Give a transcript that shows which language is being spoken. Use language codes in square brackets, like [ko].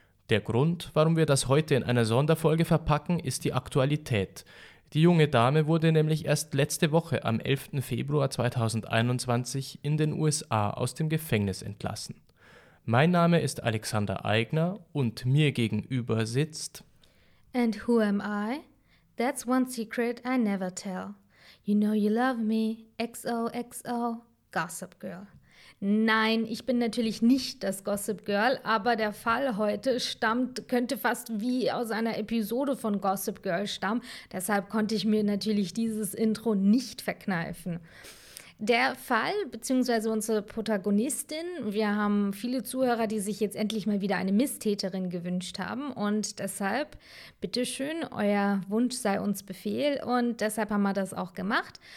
[de] Der Grund, warum wir das heute in einer Sonderfolge verpacken, ist die Aktualität. Die junge Dame wurde nämlich erst letzte Woche am 11. Februar 2021 in den USA aus dem Gefängnis entlassen. Mein Name ist Alexander Aigner und mir gegenüber sitzt... [en] And who am I? That's one secret I never tell. You know you love me, XOXO, Gossip Girl. [de] Nein, ich bin natürlich nicht das Gossip Girl, aber der Fall heute könnte fast wie aus einer Episode von Gossip Girl stammen. Deshalb konnte ich mir natürlich dieses Intro nicht verkneifen. Der Fall bzw. unsere Protagonistin, wir haben viele Zuhörer, die sich jetzt endlich mal wieder eine Misstäterin gewünscht haben und deshalb, bitteschön, euer Wunsch sei uns Befehl und deshalb haben wir das auch gemacht.